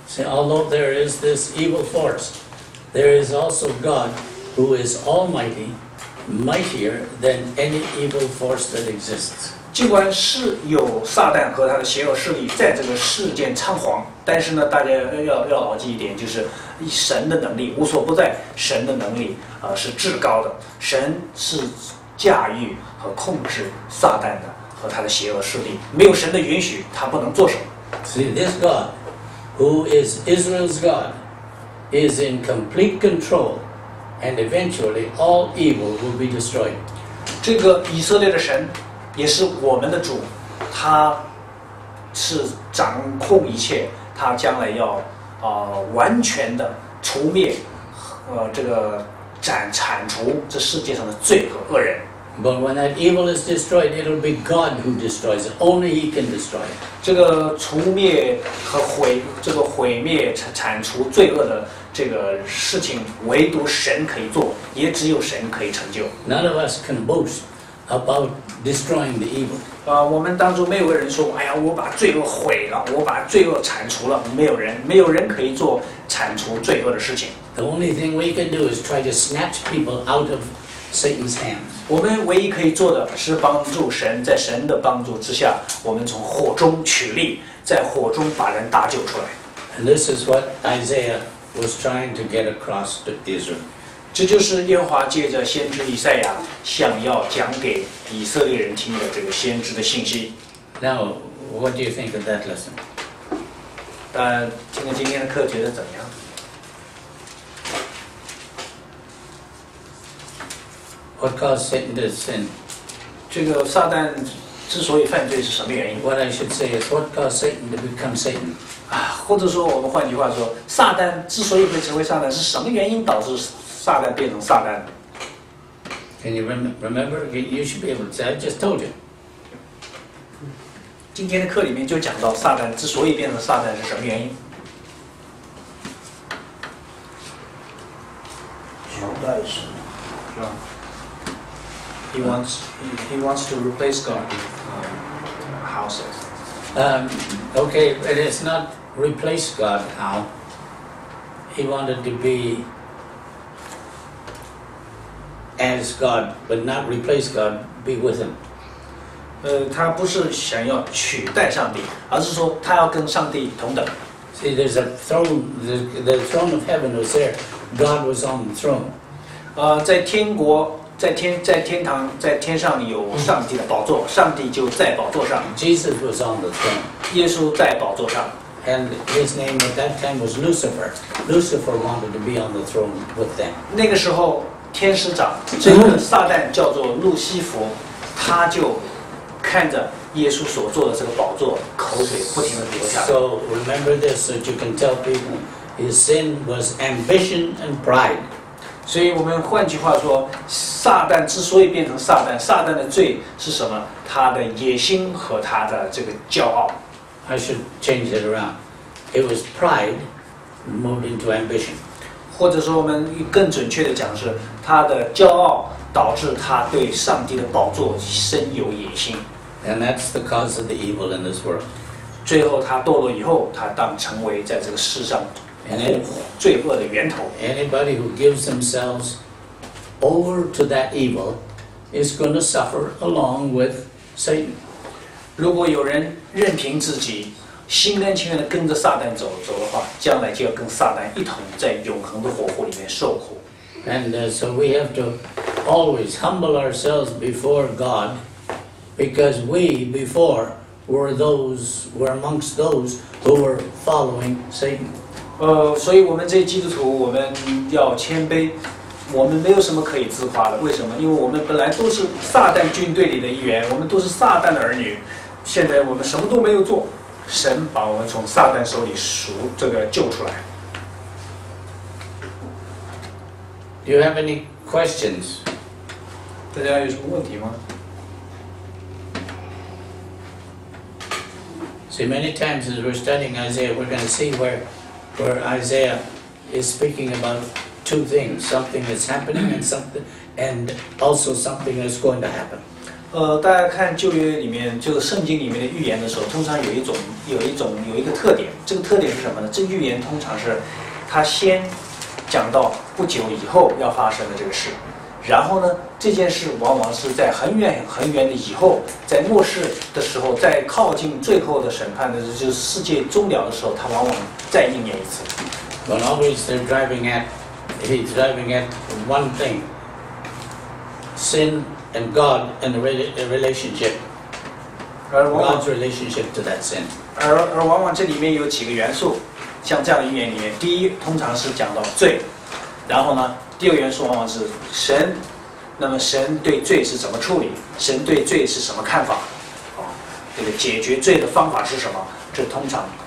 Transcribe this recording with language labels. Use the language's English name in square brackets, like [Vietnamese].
[English] See, although there is this evil force, there is also God who is almighty, mightier than any evil force that exists. [Chinese] 尽管是有撒旦和他的邪恶势力在这个世间猖狂，但是呢，大家要牢记一点，就是神的能力无所不在，神的能力是至高的，神是驾驭和控制撒旦的和他的邪恶势力，没有神的允许，他不能做什么。 [English] See, this God. Who is Israel's God is in complete control, and eventually all evil will be destroyed. [Chinese] 这个以色列的神也是我们的主，他是掌控一切，他将来要完全的除灭这个铲除这世界上的罪和恶人。 [English] But when that evil is destroyed, it'll be God who destroys it. Only He can destroy it. [Chinese] 这个除灭和毁，这个毁灭、铲除罪恶的这个事情，唯独神可以做，也只有神可以成就。 [English] None of us can boast about destroying the evil. [Chinese] 我们当中没有个人说，哎呀，我把罪恶毁了，我把罪恶铲除了。没有人可以做铲除罪恶的事情。 [English] The only thing we can do is try to snatch people out of Satan's hands. [Chinese] 我们唯一可以做的是帮助神，在神的帮助之下，我们从火中取力，在火中把人搭救出来。 [English] And this is what Isaiah was trying to get across to Israel. [Chinese] 这就是耶和华借着先知以赛亚想要讲给以色列人听的这个先知的信息。 [English] Now, what do you think of that lesson? [Chinese] 听了今天的课，觉得怎么样？ [English] What caused Satan to sin? [Chinese] 这个撒旦之所以犯罪是什么原因 [English] ？What I should say is what caused Satan to become Satan. [Chinese] 或者说我们换句话说，撒旦之所以会成为撒旦，是什么原因导致撒旦变成撒旦 [English] ？Can you remember? You should be able to. I just told you. [Chinese] 今天的课里面就讲到撒旦之所以变成撒旦是什么原因。朝代是，是吧？ [English] He wants to replace God with houses. Okay, it is not replace God now. He wanted to be as God, but not replace God, be with Him. [Chinese] 他不是想要取代上帝，而是说他要跟上帝同等。 [English] See, there's a throne. The throne of heaven was there. God was on the throne. [Chinese] 在天国。在天堂，在天上有上帝的宝座，上帝就在宝座上。 [English] Jesus was on the throne. [Chinese] 耶稣在宝座上。 [English] And his name at that time was Lucifer. Lucifer wanted to be on the throne with them. [Chinese] 那个时候，天使长这个撒旦叫做路西弗，他就看着耶稣所坐的这个宝座，口水不停的流下。 [English] So remember this, so you can tell people his sin was ambition and pride. [Chinese] 所以我们换句话说，撒旦之所以变成撒旦，撒旦的罪是什么？他的野心和他的这个骄傲。 [English] I should change it around. It was pride moved into ambition. [Chinese] 或者说，我们更准确的讲是，他的骄傲导致他对上帝的宝座深有野心。 [English] And that's the cause of the evil in this world. [Chinese] 最后他堕落以后，他当成为在这个世上。罪恶的源头。 [English] Anybody who gives themselves over to that evil is going to suffer along with Satan. [Chinese] 如果有人任凭自己心甘情愿地跟着撒旦走的话，将来就要跟撒旦一同在永恒的火湖里面受苦。 [English] And so we have to always humble ourselves before God, because we before were amongst those who were following Satan. [Chinese] 所以我们这些基督徒，我们要谦卑，我们没有什么可以自夸的。为什么？因为我们本来都是撒旦军队里的一员，我们都是撒旦的儿女。现在我们什么都没有做，神把我们从撒旦手里救出来。 [English] Do you have any questions? [Chinese] 大家有什么问题吗？ [English] See, many times as we're studying Isaiah, we're going to see where Isaiah is speaking about two things, something that's happening and also something that's going to happen. [Chinese] 大家看旧约里面，就是圣经里面的预言的时候，通常有一个特点，这个特点是什么呢？这预言通常是他先讲到不久以后要发生的这个事，然后呢，这件事往往是在很远很远的以后，在末世的时候，在靠近最后的审判的时候，就是世界终了的时候，他往往再应验一次。 [English] But always they're driving at, he's driving at one thing, sin and God and the relationship, God's relationship to that sin. [Chinese] 而往往这里面有几个元素，像这样的预言里面，第一通常是讲到罪，然后呢，第二元素往往是神。那么神对罪是怎么处理？神对罪是什么看法？这个解决罪的方法是什么？这通常